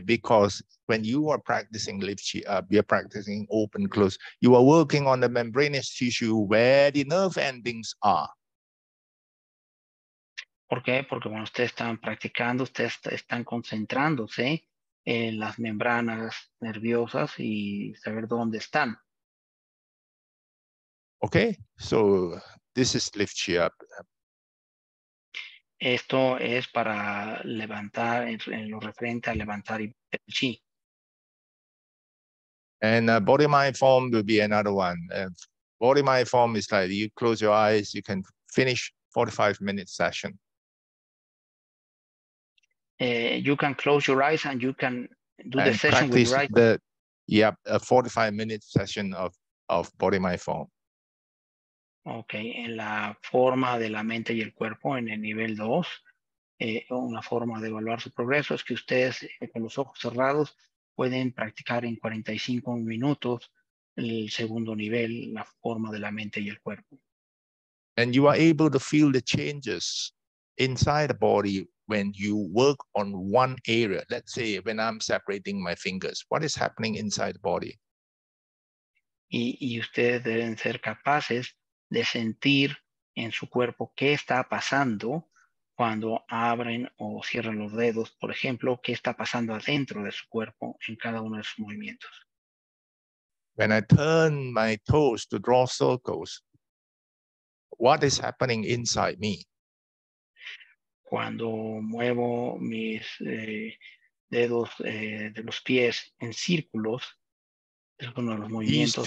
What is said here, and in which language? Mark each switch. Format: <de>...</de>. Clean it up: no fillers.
<en>Because when you are practicing lifchi, you are practicing open close, you are working on the membranous tissue where the nerve endings are.</en> <es>¿Por qué? Porque cuando ustedes están practicando, ustedes están concentrándose en las membranas nerviosas y saber dónde están.</es> <en>Okay, so this is lift chi up.</en> <es>Esto es para levantar, en lo referente a levantar el chi.</es> <en>And body mind form will be another one. Body mind form is like you close your eyes, you can finish 45-minute session. You can close your eyes and you can do the session with your eyes. A 45-minute session of body mind form.</en> <es>Okay, en la forma de la mente y el cuerpo, en el nivel 2, una forma de evaluar su progreso es que ustedes con los ojos cerrados pueden practicar en 45 minutos el segundo nivel, la forma de la mente y el cuerpo.</es> <en>And you are able to feel the changes inside the body when you work on one area. Let's say when I'm separating my fingers, what is happening inside the body?</en> <es>Y ustedes deben ser capaces de sentir en su cuerpo qué está pasando cuando abren o cierran los dedos, por ejemplo, qué está pasando adentro de su cuerpo en cada uno de sus movimientos.</es> <en>When I turn my toes to draw circles, what is happening inside me?</en> <es>Cuando muevo mis dedos de los pies en círculos, es uno de los movimientos.</es>